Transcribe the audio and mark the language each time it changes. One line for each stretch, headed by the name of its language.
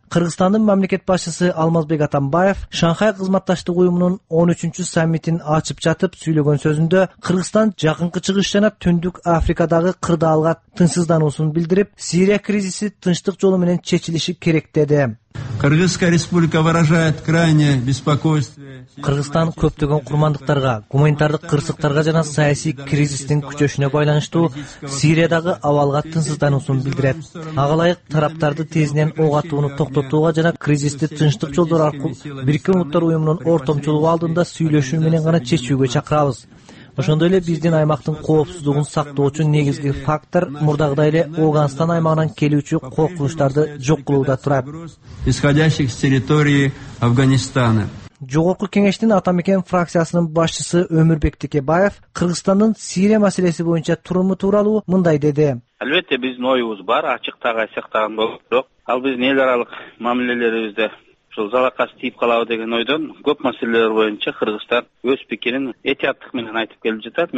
Kyrgyz: Кыргызстандын мамлекет башчысы Алмазбек Атамбаев Шанхай кызматташтык уюмунун 13-чү саммитин ачып жатып сүйлөгөн сөзүндө Кыргызстан жакынкы чыгыш жана түндүк Африкадагы кырдаалга тынчсыздануусун билдирип, Сирия кризиси тынчтык жолу менен чечилиши керек деди.
Russian: Кыргызская республика выражает крайнее беспокойство.
Kyrgyz: Кыргызстан көптөгөн курмандыктарга, гуманитардык кырсыктарга жана саясий кризистин күчөшүнө байланыштуу Сириядагы абалга тынчсыздануусун билдирет. Ага ылайык тараптарды тезинен ок атууну токтотууга жана кризисти тынчтык жолдор аркылуу Бириккен Улуттар Уюмунун ортомчулугу алдында сүйлөшүү менен гана чечүүгө чакырабыз. Ошондой эле биздин аймактын коопсуздугун сактоочу негизги фактор мурдагыдай эле Ооганстан аймагынан келүүчү коркунучтарды жок кылууда турат.
Russian: Исходящих с территории Афганистана.
Kyrgyz: Жогорку кеңештин атамекен фракциясынын башчысы Өмүрбек Текебаев Кыргызстандын Сирия маселеси боюнча туруму тууралуу мындай деди. Албетте биздин оюбуз бар, ачык дагы айтсак дагы болот, бирок ал биздин эл аралык мамилелерибизде ушул залакасы тийип калабы деген ойдон көп маселелер боюнча Кыргызстан өз пикирин этияттык менен айтып келип жатат.